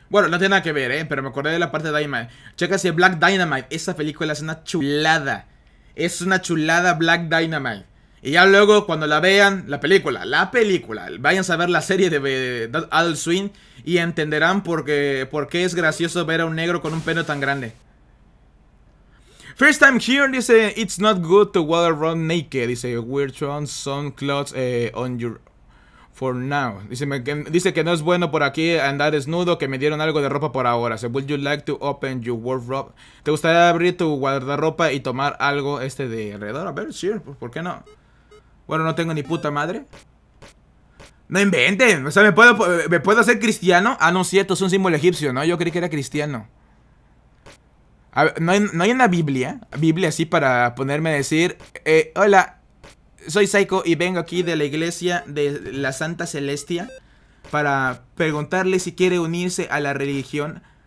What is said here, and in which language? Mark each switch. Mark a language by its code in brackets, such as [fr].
[es] Bueno, no tiene nada que ver, pero me acordé de la parte de Dynamite. Chequen si Black Dynamite. Esa película es una chulada. Es una chulada Black Dynamite. Y ya luego, cuando la vean, la película. Vayan a ver la serie de Adult Swing y entenderán por qué es gracioso ver a un negro con un pene tan grande. [en] First time here, [es] dice, [en] it's not good to walk around naked, [es] dice, [en] we're throwing some clothes on your, for now. [es] Dice que no es bueno por aquí andar desnudo, que me dieron algo de ropa por ahora. [en] So, would you like to open your wardrobe? [es] ¿Te gustaría abrir tu guardarropa y tomar algo este de alrededor? A ver, [en] sure, [es] ¿por qué no? Bueno, no tengo ni puta madre. No inventen, o sea, ¿me puedo hacer cristiano? Ah, no, cierto, es un símbolo egipcio, ¿no? Yo creí que era cristiano. A ver, ¿no hay una Biblia así para ponerme a decir, hola, soy Psycho y vengo aquí de la iglesia de la Santa Celestia para preguntarle si quiere unirse a la religión?